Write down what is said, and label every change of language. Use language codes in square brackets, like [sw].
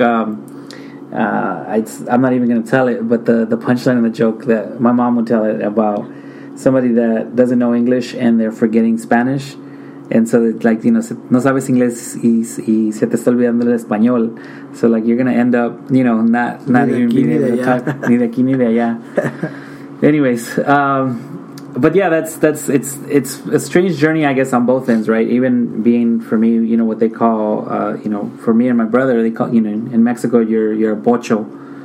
[en] I'm not even going to tell it, but the punchline of the joke that my mom would tell it about somebody that doesn't know English and they're forgetting Spanish. And so it's like, you know, [es] no sabes inglés y se te está olvidando el español. [en] So like you're going to end up, you know, not even being able to talk [es] ni de aquí ni de allá. [en] Anyways, but yeah, that's it's a strange journey, I guess, on both ends, right? Even being, for me, you know, what they call, you know, for me and my brother, they call, you know, in Mexico, you're a bocho.